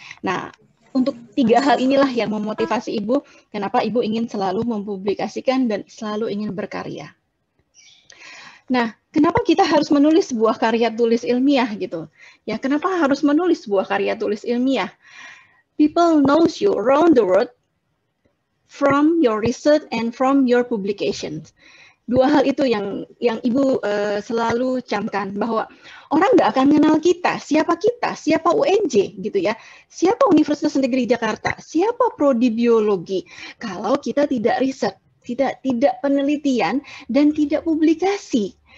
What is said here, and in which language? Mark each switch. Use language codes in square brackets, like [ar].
[id] Nah, untuk tiga hal inilah yang memotivasi Ibu, kenapa Ibu ingin selalu mempublikasikan dan selalu ingin berkarya. Nah, kenapa kita harus menulis sebuah karya tulis ilmiah gitu? Ya, kenapa harus menulis sebuah karya tulis ilmiah? [en] People knows you around the world from your research and from your publications. [id] Dua hal itu yang Ibu selalu camkan, bahwa orang nggak akan mengenal kita, siapa UNJ gitu ya, siapa Universitas Negeri Jakarta, siapa Prodi Biologi, kalau kita tidak riset, tidak penelitian, dan tidak publikasi.